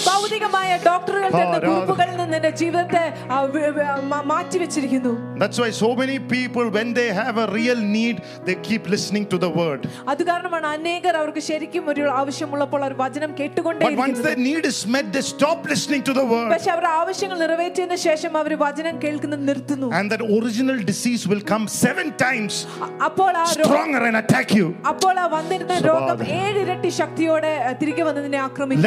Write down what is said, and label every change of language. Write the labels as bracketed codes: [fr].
[ml] ഭൗതികമായ ഡോക്ടറുകളുടെ കുറിപ്പുകളിൽ നിന്ന് എന്റെ ജീവിതത്തെ മാറ്റി ഇരിക്കുന്നു. [en] That's why so many people when they have a real need they keep listening to the word. [ml] അതുകാരണമാണ് അനേകർ അവർക്ക് ശരിക്കും ഒരു ആവശ്യമുള്ളപ്പോൾ അവർ വചനം കേട്ടുകൊണ്ടേയിരിക്കുന്നു. [en] But once their need is met they stop listening to the word. [ml] പക്ഷേ അവരുടെ ആവശ്യങ്ങൾ നിറവേറ്റിയതിനു ശേഷം അവർ വചനം കേൾക്കുന്നത് നിർത്തുന്നു. [en] And that original disease will come 7 times. [ml] അപ്പോൾ ആ [en] രോഗം stronger and attack you. [ml] അപ്പോൾ ആ വന്നിരുന്ന രോഗം 7 ഇരട്ടി ശക്തിയോടെ തിരികെ വന്നതിനെ ആക്രമിക്കും.